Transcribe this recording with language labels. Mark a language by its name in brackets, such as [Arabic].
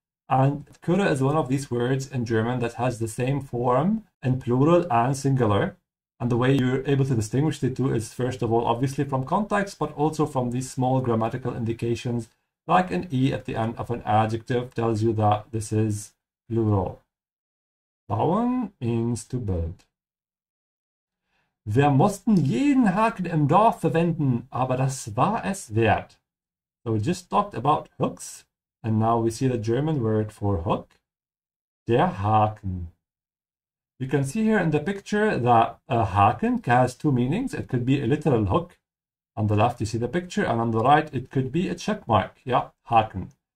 [English] And Köder is one of these words in German that has the same form in plural and singular. And the way you're able to distinguish the two is first of all obviously from context, but also from these small grammatical indications, like an E at the end of an adjective tells you that this is plural. Bauen means to build. [German] Wir mussten jeden Haken im Dorf verwenden, aber das war es wert. [English] So we just talked about hooks, and now we see the German word for hook. [German] Der Haken. [English] You can see here in the picture that a haken has two meanings. It could be a literal hook. On the left you see the picture, and on the right it could be a check mark. Yeah, haken.